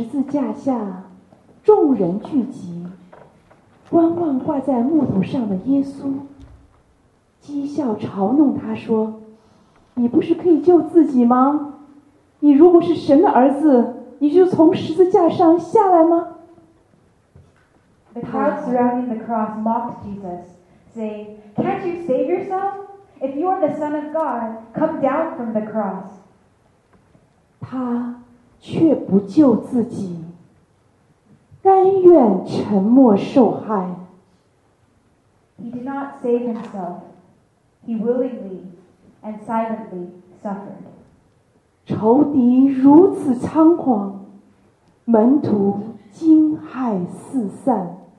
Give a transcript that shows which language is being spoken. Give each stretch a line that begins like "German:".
Chinese: 架下，众人聚集，观望挂在木头上的耶稣，讥笑嘲弄他说：“你不是可以救自己吗？你如果是神的儿子，你就从十字架上下来吗？”
English: The crowd surrounding the cross mocked Jesus, saying, "Can't you save yourself? If you are the Son of God, come down from the cross."
Chinese: 他却不救自己，甘愿沉默受害。
English: He did not save himself. He willingly and silently suffered.
Chinese: 仇敌如此猖狂，门徒惊骇四散。